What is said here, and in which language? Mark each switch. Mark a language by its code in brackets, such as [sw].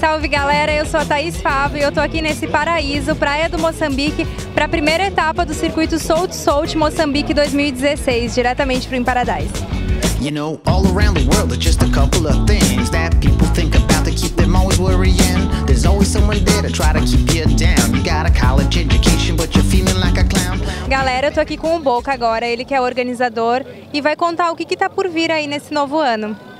[pt] galera, eu sou a Thaís Favo e eu tô aqui nesse paraíso, Praia do Moçambique, para a primeira etapa do circuito Salt Salt Moçambique 2016, diretamente pro In Paradise. [en] You know, all around the world there's just a couple of things that people think about to keep them always worrying. There's always someone there to try to keep you down. You got a college education, but you're feeling like a clown. [pt] Galera, eu tô aqui com o Boca agora, ele que é o organizador e vai contar o que que tá por vir aí nesse novo ano.